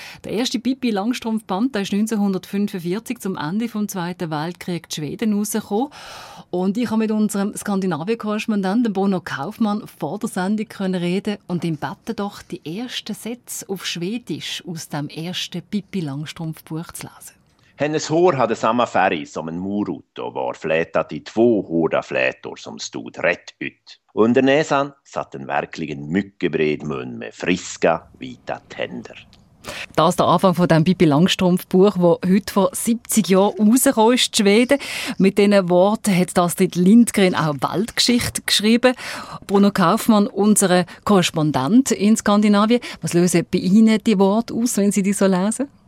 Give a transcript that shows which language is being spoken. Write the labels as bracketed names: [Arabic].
[German] Der erste Pippi Langstrumpf Band ist 1945 zum Ende des Zweiten Weltkrieg in Schweden rausgekommen. Und ich habe mit unserem Skandinavien-Korrespondenten Bruno Kaufmann vor der Sendung reden und ihm bette doch, die ersten Sätze auf Schwedisch aus dem ersten Pippi Langstrumpf-Buch zu lesen. [Swedish] Hennes Hår hade samma färg som en morot och var flätat i två hårda flätor som stod rätt ut. Under näsan satt en verkligen mycket bred mun med friska, vita tänder. [German] Das ist der Anfang von dem Pippi Langstrumpf-Buch, das heute vor 70 Jahren rausgekommen ist in Schweden. Mit diesen Worten hat Astrid Lindgren auch Weltgeschichte geschrieben. Bruno Kaufmann, unser Korrespondent in Skandinavien. Was lösen bei Ihnen die Worte aus, wenn Sie die so lesen?